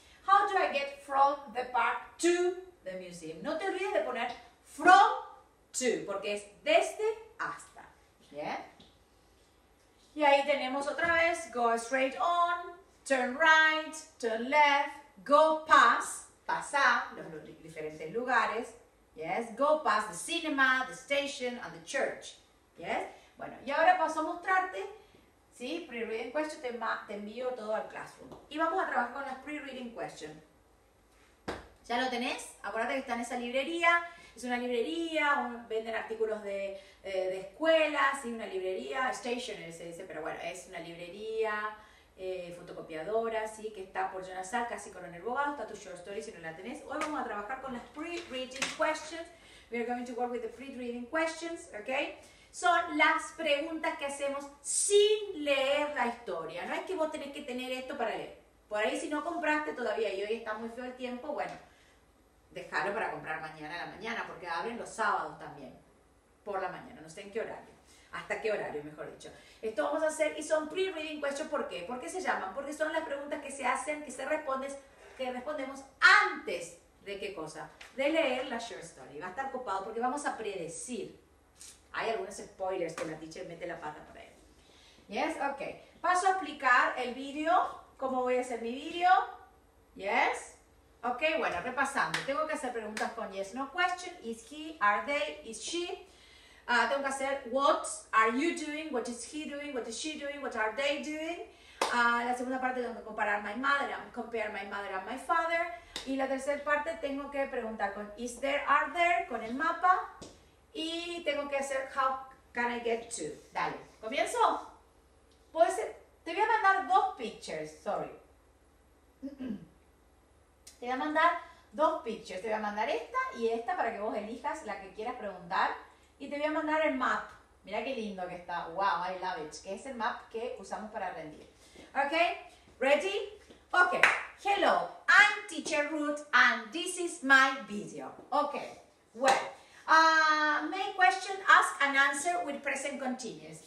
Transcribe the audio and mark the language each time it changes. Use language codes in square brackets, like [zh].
[en] How do I get from the park to the museum? [es] No te olvides de poner from to, porque es desde hasta. [en] Yeah. [es] Y ahí tenemos otra vez, [en] go straight on, turn right, turn left, go past, [es] pasar los diferentes lugares. [en] Yes, go past the cinema, the station, and the church. [es] Yes. Bueno, y ahora paso a mostrarte. Sí, pre-reading question, te envío todo al classroom. Y vamos a trabajar con las pre-reading question. ¿Ya lo tenés? Acuérdate que está en esa librería. Es una librería, venden artículos de escuela, sí, una librería, stationery se dice, pero bueno, es una librería, fotocopiadora, sí, que está por Jonasal, casi Coronel Bogado, está tu short story si no la tenés. Hoy vamos a trabajar con las pre-reading questions. [en] We are going to work with the pre-reading questions, okay? [es] Son las preguntas que hacemos sin leer la historia. No es que vos tenés que tener esto para leer. Por ahí si no compraste todavía y hoy está muy feo el tiempo, bueno, dejalo para comprar mañana a la mañana porque abren los sábados también por la mañana. No sé en qué horario. Hasta qué horario, mejor dicho. Esto vamos a hacer y son pre-reading questions. ¿Por qué? ¿Por qué se llaman? Porque son las preguntas que se hacen, que se respondes, que respondemos antes de qué cosa. De leer la short story. Va a estar copado porque vamos a predecir. Hay algunos spoilers que la teacher mete la pata por ahí. Yes, ok. Paso a explicar el video, cómo voy a hacer mi video. Yes. Ok, bueno, repasando. Tengo que hacer preguntas con yes, no question. [en] Is he, are they, is she. [es] Tengo que hacer [en] what are you doing, what is he doing, what is she doing, what are they doing. [es] La segunda parte tengo que comparar my mother, [en] compare my mother and my father. [es] Y la tercera parte tengo que preguntar con is there, are there, con el mapa. Y tengo que hacer, [en] how can I get to? [es] Dale, ¿comienzo? Puede ser, te voy a mandar dos pictures, sorry. Te voy a mandar dos pictures, te voy a mandar esta y esta para que vos elijas la que quieras preguntar. Y te voy a mandar el map, mira qué lindo que está, [en] wow, I love it, [es] que es el map que usamos para rendir. [en] Ok, ready? Ok, hello, I'm Teacher Ruth and this is my video. Ok, well. Main question, ask and answer with present continuous.